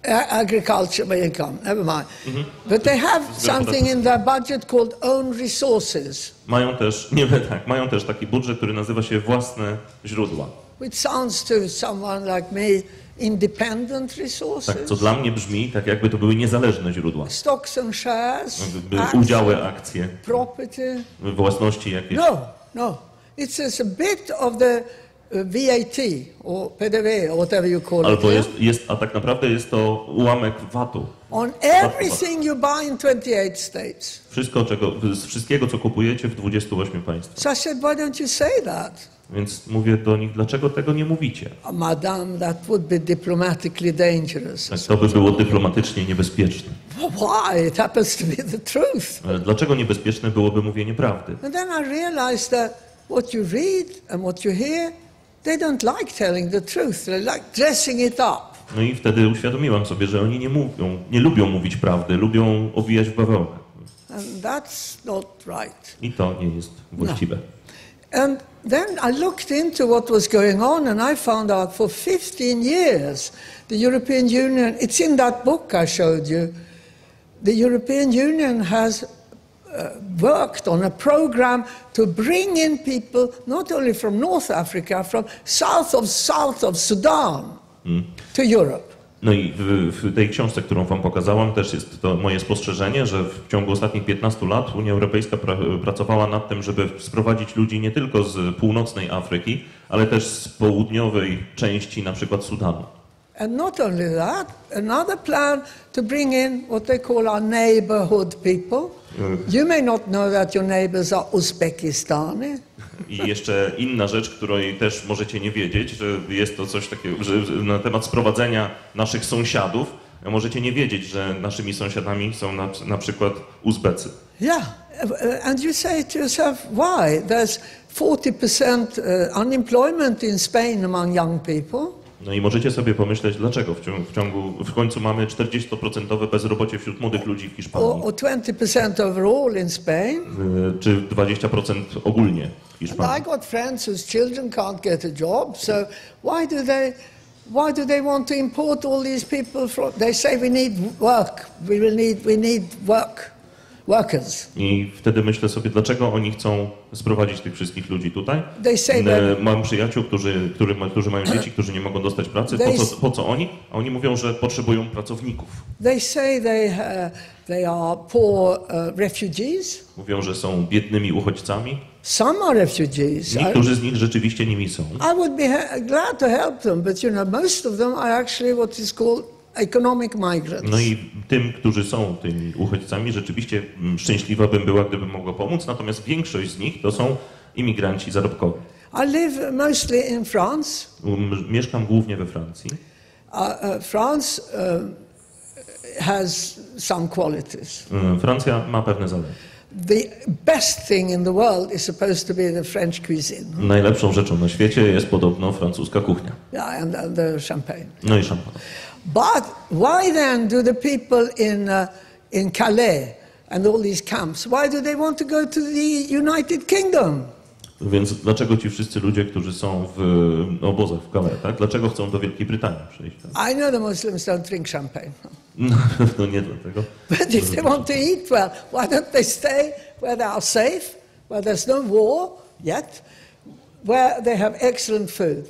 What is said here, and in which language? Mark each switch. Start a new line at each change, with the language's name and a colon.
English: agricultural income, never mind. Mm-hmm. But they have something in their budget called own resources.
Polish: Mają też, nie wiem, tak, mają też taki budżet, który nazywa się własne źródła.
English: Which sounds to someone like me independent resources.
Polish: Tak, co dla mnie brzmi, tak jakby to były niezależne źródła.
English: Stocks and shares.
Polish: Udziały, akcje.
English: Property.
Polish: Własności jakieś.
English: No, no. It's a bit of the VAT or PDV or whatever you call it.
Polish: Albo jest, a tak naprawdę jest to ułamek VAT-u.
English: On everything you buy in 28 states.
Polish: Wszystko, czego, z wszystkiego, co kupujecie w 28 państwach.
English: So I said, why don't you say that?
Polish: Więc mówię do nich, dlaczego tego nie mówicie?
English: Madame, that would be diplomatically dangerous.
Polish: Tak, to by było dyplomatycznie niebezpieczne.
English: Why? It happens to be the truth.
Polish: Ale dlaczego niebezpieczne byłoby mówienie prawdy?
English: And then I realized that what you read and what you hear, they don't like telling the truth. They like dressing it up.
Polish: No i wtedy uświadomiłam sobie, że oni nie lubią mówić prawdy, lubią owijać w bawełnę.
English: And that's not right.
Polish: I to nie jest właściwe. No.
English: And then I looked into what was going on and I found out for 15 years the European Union, it's in that book I showed you, the European Union has worked on a program to bring in people not only from North Africa, from south of Sudan to Europe.
Polish: No i w tej książce, którą wam pokazałam, też jest to moje spostrzeżenie, że w ciągu ostatnich 15 lat Unia Europejska pracowała nad tym, żeby sprowadzić ludzi nie tylko z północnej Afryki, ale też z południowej części, na przykład Sudanu.
English: And not only that, another plan to bring in what they call our neighborhood people. You may not know that your neighbors are Uzbekistani.
Polish: I jeszcze inna rzecz, której też możecie nie wiedzieć, że jest to coś takiego, że na temat sprowadzenia naszych sąsiadów, możecie nie wiedzieć, że naszymi sąsiadami są na przykład Uzbecy.
English: Yeah, and you say to yourself, why? There's 40% unemployment in Spain among young people.
Polish: No i możecie sobie pomyśleć, dlaczego w końcu mamy 40% bezrobocie wśród młodych ludzi w Hiszpanii.
English: Or 20% overall in Spain.
Polish: Czy 20% ogólnie w Hiszpanii.
English: And I got friends whose children can't get a job, so why do they want to import all these people from, they say we need work, we need work. workers.
Polish: I wtedy myślę sobie, dlaczego oni chcą sprowadzić tych wszystkich ludzi tutaj?
English: They say that
Polish: mam przyjaciół, którzy mają dzieci, którzy nie mogą dostać pracy. Po co oni? A oni mówią, że potrzebują pracowników.
English: They say they are poor refugees.
Polish: Mówią, że są biednymi uchodźcami.
English: Some are refugees.
Polish: Niektórzy z nich rzeczywiście nimi są.
English: I would be glad to help them, but you know, most of them are actually what is called economic migrants.
Polish: No i tym, którzy są tymi uchodźcami, rzeczywiście szczęśliwa bym była, gdybym mogła pomóc, natomiast większość z nich to są imigranci zarobkowi.
English: I live mostly in France.
Polish: Mieszkam głównie we Francji.
English: France has some qualities.
Polish: Francja ma pewne zalety.
English: The best thing in the world is supposed to be the French cuisine.
Polish: Najlepszą rzeczą na świecie jest podobno francuska kuchnia.
English: Yeah, and the champagne.
Polish: No i szampan.
English: But why then do the people in Calais and all these camps, why do they want to go to the United Kingdom?
Polish: Więc dlaczego ci wszyscy ludzie, którzy są w obozach w Calais, tak? Dlaczego chcą do Wielkiej Brytanii przyjść?
English: I know the Muslims don't drink champagne.
Polish: No nie dlatego.
English: But if they want to eat well, why don't they stay where they are safe, where there's no war yet, where they have excellent food?